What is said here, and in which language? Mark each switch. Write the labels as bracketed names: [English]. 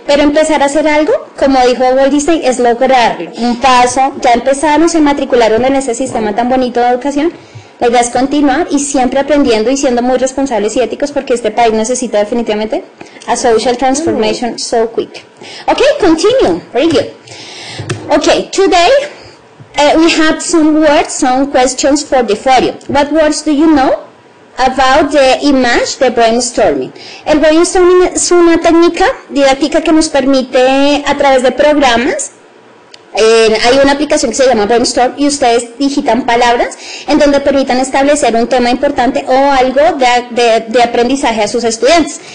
[Spanish] Pero empezar a hacer algo, como dijo Walt Disney, es lograrlo. Un paso, ya empezaron, se matricularon en ese sistema tan bonito de educación. La idea es continuar y siempre aprendiendo y siendo muy responsables y éticos porque este país necesita definitivamente a social transformation so quick. [English] Ok, continue. Very good. Ok, today... we have some words, some questions for the forum. What words do you know about the image, the brainstorming? [Spanish] El brainstorming es una técnica didáctica que nos permite a través de programas. Hay una aplicación que se llama Brainstorm y ustedes digitan palabras en donde permitan establecer un tema importante o algo de aprendizaje a sus estudiantes.